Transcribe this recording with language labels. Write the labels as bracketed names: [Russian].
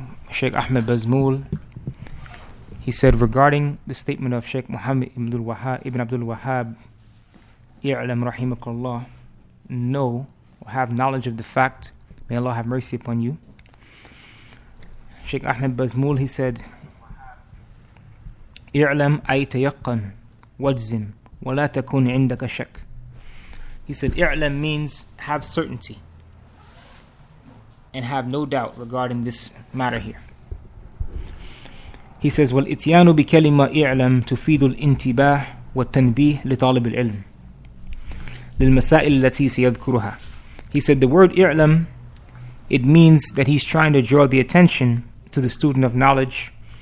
[English] Sheikh Ahmed Bazmul, he said regarding the statement of Sheikh Muhammad ibn Abdul Wahhab, [Arabic] اعلم رحمك الله, [English] know, have knowledge of the fact, may Allah have mercy upon you. [Arabic] Sheikh Ahmed Bazmul, [English] he said, [Arabic] اعلم أي تيقن واجزم ولا تكون عندك شك. [English] He said, اعلم means have certainty and have no doubt regarding this matter here. He says, [Arabic] والإتيان بكلمة اعلم تفيد الانتباه والتنبيه لطالب العلم للمسائل التي سيذكرها. [English] He said the word i'lam, it means that he's trying to draw the attention to the student of knowledge.